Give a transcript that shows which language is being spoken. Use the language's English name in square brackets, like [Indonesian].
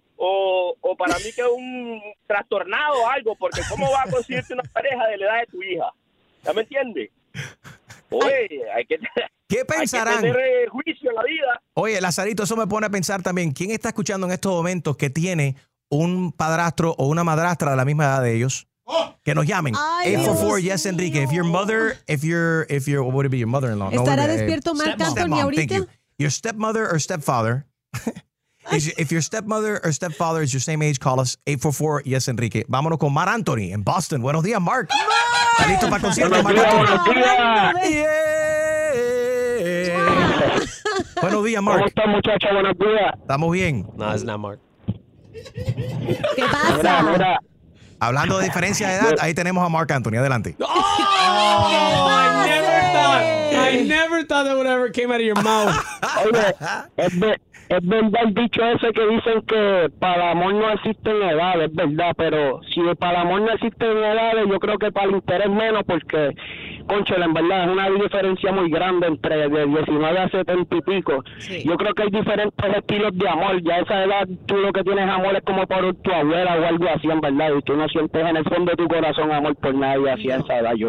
[Spanish] O para mí que es un trastornado o algo, porque ¿cómo va a conseguirte una pareja de la edad de tu hija? ¿Ya me entiendes? Oye, ¿qué pensarán? Hay que tener juicio en la vida. Oye, Lazarito, eso me pone a pensar también, ¿quién está escuchando en estos momentos que tiene un padrastro o una madrastra de la misma edad de ellos? Que nos llamen. Ay, 844, Dios [English] yes, [Spanish] mío. Enrique. [English] If your what would it be, your mother-in-law? [Spanish] ¿Estará despierto Marc Anthony ahorita? [English] Thank you. Your stepmother or stepfather. If your stepmother or stepfather is your same age, call us 844, yes, Enrique. [Spanish] Vámonos con Marc Anthony en Boston. Buenos días, Marc. ¿Estás listo para concierto, Marc Anthony? Buenos días. Yeah. Buenos días, Marc. ¿Cómo estás, muchacha? Buenos días. ¿Estamos bien? No, es nada, Marc. ¿Qué pasa? Hablando de diferencia de edad, ahí tenemos a Marc Anthony. Adelante. [English] Oh, I never thought that would ever came out of your mouth. [Spanish] Es verdad el dicho ese que dicen que para el amor no existen edades, es verdad, pero si para el amor no existen edades, yo creo que para el interés menos, porque, conchola, en verdad es una diferencia muy grande entre de 19 a 70 y pico. Sí. Yo creo que hay diferentes estilos de amor, ya a esa edad tú lo que tienes amor es como por tu abuela o algo así, en verdad, y tú no sientes en el fondo de tu corazón amor por nadie así a esa edad.